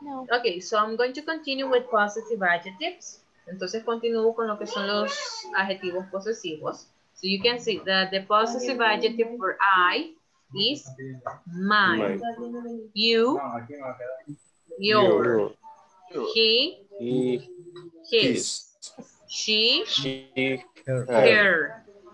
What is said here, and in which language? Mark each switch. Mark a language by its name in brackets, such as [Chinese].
[English] Ok, so I'm going to continue with positive adjectives. [Spanish] Entonces continúo con lo que son los adjetivos posesivos. [English] So you can see that the positive adjective for I is mine, you, your, he, his, she, her,